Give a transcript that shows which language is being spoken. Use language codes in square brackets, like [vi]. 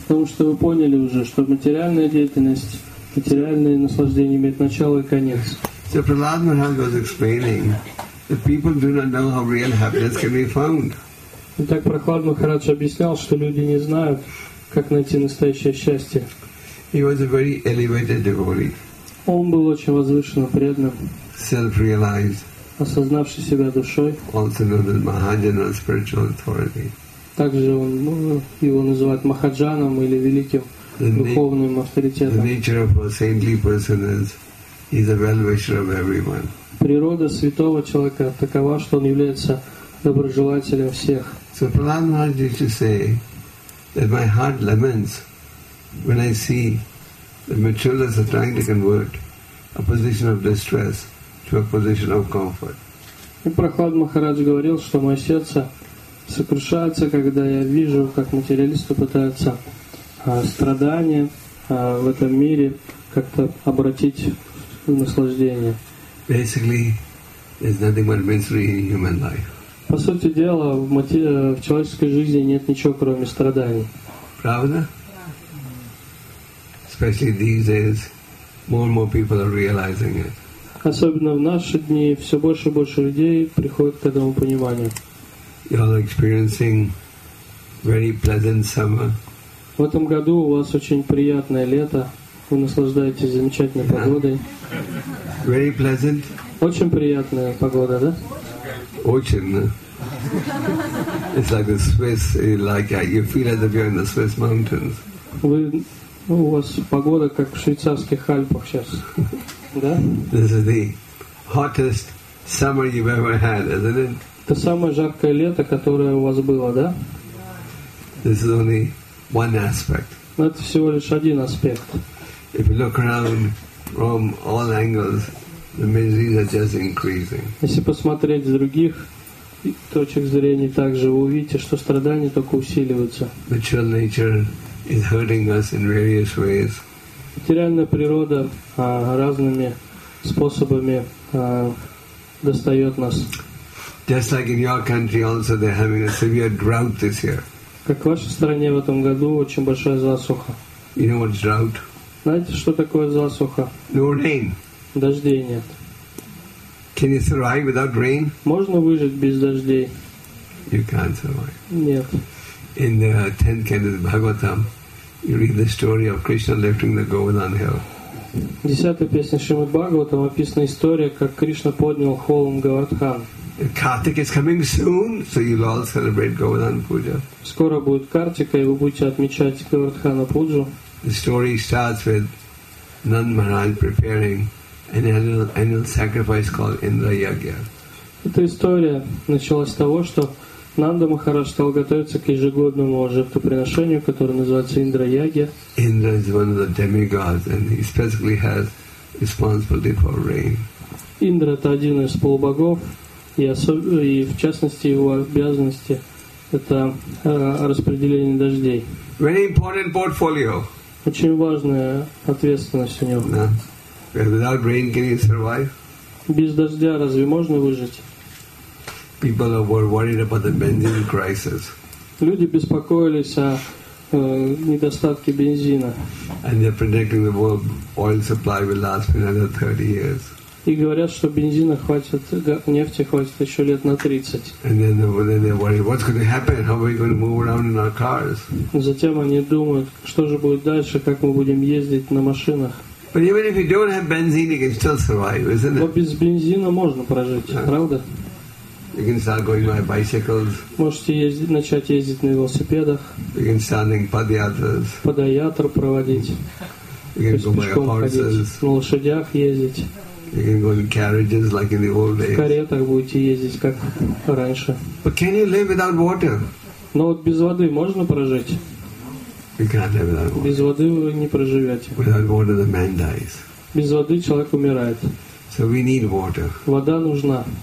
[ru] Потому что вы поняли уже, что материальная деятельность, материальные наслаждения имеют начало и конец. [en] So Prahlad Maharaj was explaining that people do not know how real happiness can be found. [ru] Итак, Прохлад Махарадж объяснял, что люди не знают, как найти настоящее счастье. [en] He was a very elevated devotee. [ru] Он был очень возвышенно преданным. [en] Self-realized. [ru] Осознавший себя душой. [en] Also known as Mahajana, spiritual authority. [ru] Также он, ну, его называют Махаджаном или великим духовным авторитетом. [en] The nature of a saintly person is he's a well-wisher of everyone. [ru] Природа святого человека такова, что он является доброжелателем всех. [en] So Prahlad Maharaj used to say that my heart laments when I see that materialists are trying to convert a position of distress to a position of comfort. [ru] И Прохлад Махарадж говорил, что мое сердце сокрушается, когда я вижу, как материалисты пытаются страдания в этом мире как-то обратить в наслаждение. [en] Basically, there's nothing but misery in human life. [ru] По сути дела, в человеческой жизни нет ничего, кроме страданий. Правда? [en] Especially these days, more and more people are realizing it. [ru] Особенно в наши дни все больше и больше людей приходит к этому пониманию. [en] You are experiencing very pleasant summer. [ru] В этом году у вас очень приятное лето. Вы наслаждаетесь замечательной погодой. [en] Very pleasant. [ru] Очень приятная погода, да? Очень. [en] It's like the Swiss, like you feel as if you're in the Swiss mountains. [ru] Вы, ну, у вас погода как в швейцарских Альпах сейчас, да? [en] This is the hottest summer you've ever had, isn't it? [ru] Это самое жаркое лето, которое у вас было, да? [en] This is only one aspect. [ru] Но это всего лишь один аспект. [en] If you look around from all angles, the miseries are just increasing. [ru] Если посмотреть с других точек зрения, также вы увидите, что страдания только усиливаются. [en] Material nature is hurting us in various ways. [ru] Материальная природа разными способами достает нас. [en] Just like in your country, also they're having a severe drought this year. [ru] Как в вашей стране в этом году очень большая засуха. [en] You know what's drought? [ru] Знаете, что такое засуха? [en] No rain. [ru] Дождей нет. [en] Can you survive without rain? [ru] Можно выжить без дождей? [en] You can't survive. [ru] Нет. [en] In the 10th canto of Bhagavatam, you read the story of Krishna lifting the Govardhan hill. [ru] В 10-й песне Шримад Бхагаватам описана история, как Кришна поднял холм Говардхан. [en] Kartik is coming soon, so you'll all celebrate Govardhan Puja. [ru] Скоро будет Картика, и вы будете отмечать Говардхана Пуджу. [en] The story starts with Nand Maharaj preparing an annual sacrifice called Indra Yagya. [ru] Эта история началась с того, что Нанда Махарадж стал готовиться к ежегодному жертвоприношению, которое называется Индра Ягья. [en] Indra is one of the demigods, and he specifically has responsibility for rain. [ru] Индра — это один из полубогов, и в частности его обязанности — это распределение дождей. [en] Very important portfolio. [ru] Очень важная ответственность у него. [en] Yeah. Without rain, can you survive? [ru] Без дождя разве можно выжить? [en] People were worried about the benzene crisis. [ru] Люди беспокоились о недостатке бензина. [en] And they're predicting the world oil supply will last for another 30 years. [ru] И говорят, что бензина хватит, нефти хватит еще лет на 30. [en] And then they're worried, what's going to happen? How are we going to move around in our cars? [ru] Затем они думают, что же будет дальше, как мы будем ездить на машинах. [en] But even if you don't have benzene, you can still survive, isn't it? [ru] Но без бензина можно прожить, yeah. Правда? [en] You can start going by bicycles. [ru] Можете начать ездить на велосипедах. [en] You can start doing padayatras. [ru] Падаятру проводить. [en] You can go by horses. [ru] На лошадях ездить. [en] You can go in carriages like in the old days. [ru] В каретах будете ездить, как раньше. [en] But can you live without water? [ru] Но вот без воды можно прожить? [en] You can't live without water. [ru] Без воды вы не проживете. [en] Without water, the man dies. [ru] Без воды человек умирает. [en] So we need water. [ru] Вода нужна.